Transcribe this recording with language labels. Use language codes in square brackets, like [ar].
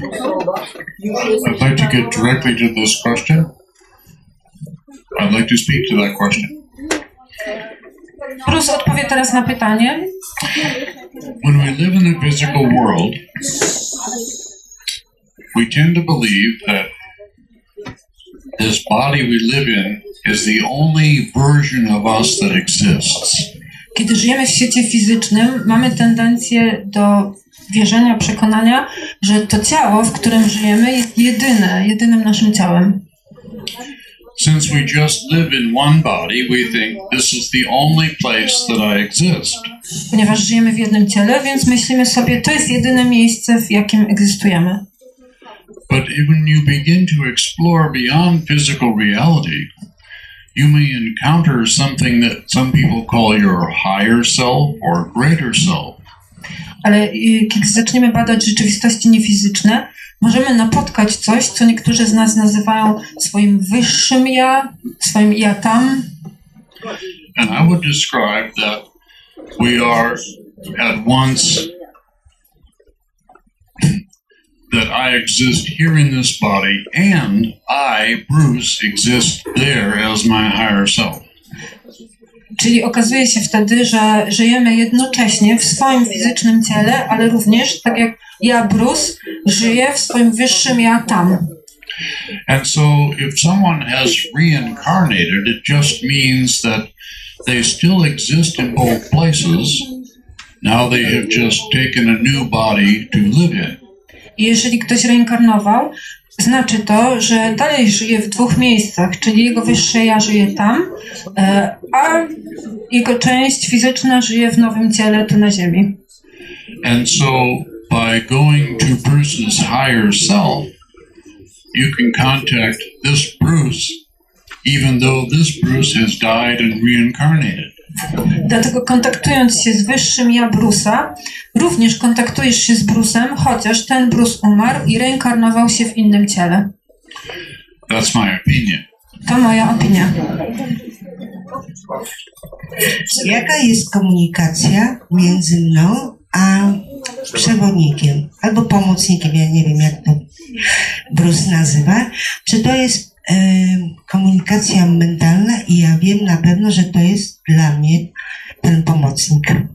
[en] I'd like to get directly to this question. I'd like to speak to that question. [pl] Bruce odpowie teraz na pytanie. [en] When we live in the physical world, we tend to believe that this body we live in is the only version of us that exists. [pl] Kiedy żyjemy w świecie fizycznym, mamy tendencję do wierzenia, przekonania, że to ciało, w którym żyjemy, jest jedynym naszym ciałem. [en] Since we just live in one body, we think this is the only place that I exist. [pl] Ponieważ żyjemy w jednym ciele, więc myślimy sobie, to jest jedyne miejsce, w jakim egzystujemy. [en] But when you begin to explore beyond physical reality, you may encounter something that some people call your higher self or greater self. [pl] Ale kiedy zaczniemy badać rzeczywistości niefizyczne, możemy napotkać coś, co niektórzy z nas nazywają swoim wyższym ja, swoim ja tam. [en] And I would describe that we are at once that I exist here in this body and I, Bruce, exist there as my higher self. [pl] Czyli okazuje się wtedy, że żyjemy jednocześnie w swoim fizycznym ciele, ale również, tak jak ja, Bruce, żyję w swoim wyższym ja tam. [en] And so if someone has reincarnated, it just means that they still exist in both places. Now they have just taken a new body to live in. [pl] Jeżeli ktoś reinkarnował, znaczy to, że dalej żyje w dwóch miejscach, czyli jego wyższe ja żyje tam, a jego część fizyczna żyje w nowym ciele tu na ziemi. [en] And so by going to Bruce's higher self, you can contact this Bruce, even though this Bruce has died and reincarnated. [pl] Dlatego kontaktując się z wyższym ja Bruce'a, również kontaktujesz się z Bruce'em, chociaż ten Bruce umarł i reinkarnował się w innym ciele. [en] That's my opinion. [pl] To moja opinia. Jaka jest komunikacja między mną a przewodnikiem albo pomocnikiem, ja nie wiem jak to Bruce nazywa, czy to jest komunikacja mentalna i ja wiem na pewno, że to jest dla mnie ten pomocnik.